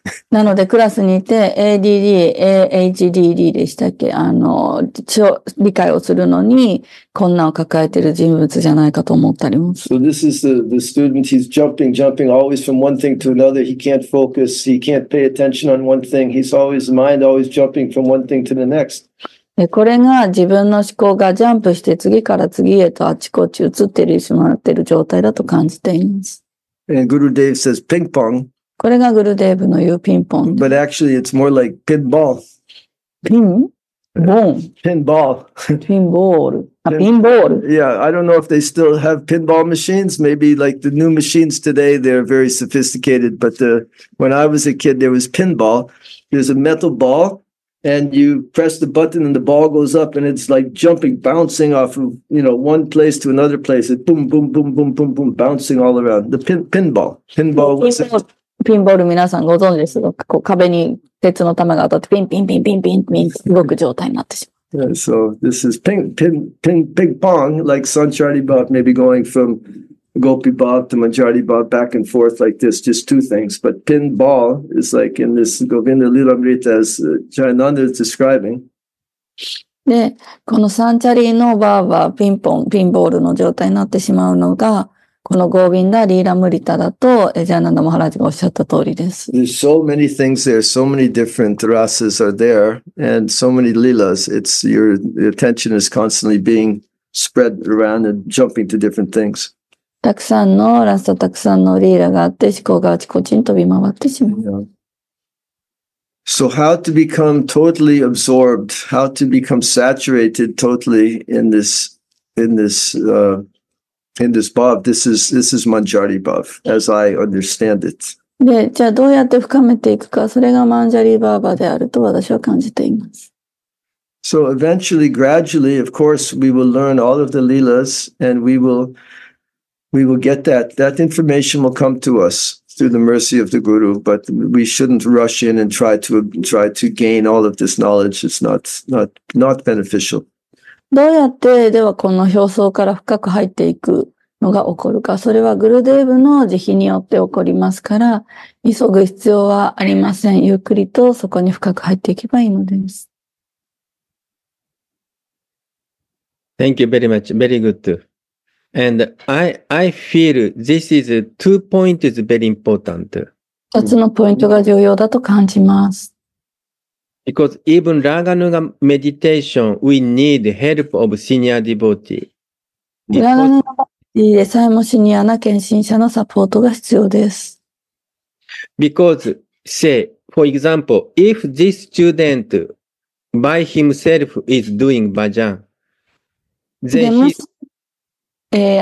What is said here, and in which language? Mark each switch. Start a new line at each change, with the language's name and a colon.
Japanese: なのでクラスにいて ADD、AHDD でしたっけ、理解をするのに困難を抱えている人物じゃないかと思ったりも。
English: So this is the student, he's jumping always from one thing to another. He can't focus, he can't pay attention on one thing. He's always mind always jumping from one thing to the next.
Japanese: でこれが自分の思考がジャンプして次から次へとあちこち移ってるしまってる状態だと感じています。
English: グルデーブ says ピンポン。
Japanese: これがグルデーブの言うピンポン。
English: But actually it's more like pinball.
Japanese: ピンボン。ピンボール。ピンボール。あ、ピンボール。
English: Yeah, I don't know if they still have pinball machines. Maybe like the new machines today, they're very sophisticated. But the, when I was a kid, there was pinball. There's a metal ball. And you press the button and the ball goes up and it's like jumping, bouncing off of, you know, one place to another place. It's boom, boom, boom, boom, boom, boom, bouncing all around. The pinball. Pinball was it?
Japanese: Pinball, 皆さんご存知ですか？こう壁に鉄の球が当たってピンピンピンピンピンピン動く状態になってしまう。
English: Yeah, so this is ping pong, like Sanchari Bob, maybe going from Gopi Bob to Manjari Bob back and forth like this, just two things. But pinball is like in this Govinda Lilamrita as Jayananda is describing.
Japanese: で、このサンチャリーのバーバーピンポン、ピンボールの状態になってしまうのが、このゴービンダ・リーラムリタだと、ジャーナンダ・マハラジがおっしゃった通りです。
English: There's so many things there, so many different rasas are there, and so many lilas. It's your attention is constantly being spread around and jumping to different things.
Japanese: たくさんのラスト、たくさんのリーラがあって、思考があちこちに飛び回ってしまう。
English: Yeah. So how to become totally absorbed, how to become saturated totally in this bhav, this is Manjari bhav, as I understand it.
Japanese: で、じゃあどうやって深めていくか、それがマンジャリバーバーであると私は感じています。
English: So eventually, gradually, of course, we will learn all of the leelas and we will get that. That information will come to us through the mercy of the Guru, but we shouldn't rush in and try to gain all of this knowledge. It's not beneficial.
Japanese: どうやってではこの表層から深く入っていくのが起こるか。それはグルデーブの慈悲によって起こりますから、急ぐ必要はありません。ゆっくりとそこに深く入っていけばいいのです。
English: Thank you very much. Very good. And I feel this is two points very important.
Japanese: 二つのポイントが重要だと感じます。
English: Because even Raganuga meditation, we need help of senior devotee.
Japanese: Raganuga meditation でさえもシニアな献身者のサポートが必要です。
English: Because, say, for example, if this student by himself is doing bhajan, then he...